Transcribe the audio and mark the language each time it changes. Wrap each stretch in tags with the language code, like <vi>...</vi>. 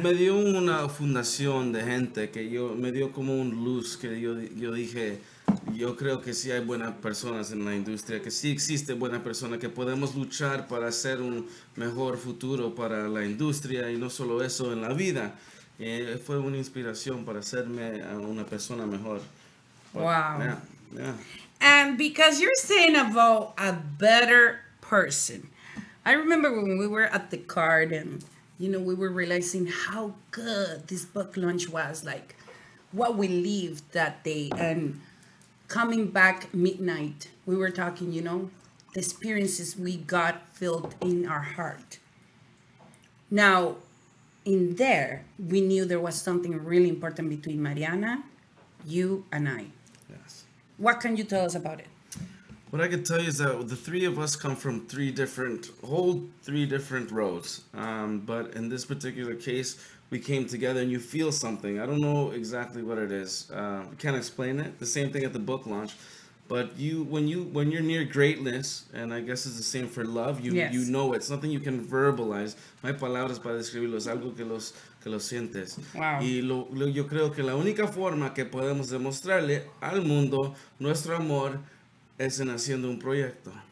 <es>Me dio una fundación de gente que yo, me dio como un luz que yo dije, yo creo que sí hay buenas personas en la industria, que sí existe buena persona, que podemos luchar para hacer un mejor futuro para la industria y no solo eso, en la vida. Y fue una inspiración para hacerme una persona mejor.</es> <en>But, wow. Yeah. And because you're saying about a better person, I remember when we were at the card and, you know, we were realizing how good this book launch was, like what we lived that day. And coming back midnight, we were talking, you know, the experiences we got filled in our heart. Now, in there, we knew there was something really important between Mariana, you and I. What can you tell us about it? What I can tell you is that the three of us come from three different roads. But in this particular case, we came together and you feel something. I don't know exactly what it is. I can't explain it. The same thing at the book launch. But when you're near greatness, and I guess it's the same for love, you know it. It's nothing you can verbalize.</en> <es>No hay palabras para describirlo. Es algo que lo sientes. Wow. Y yo creo que la única forma que podemos demostrarle al mundo nuestro amor es en haciendo un proyecto.</es>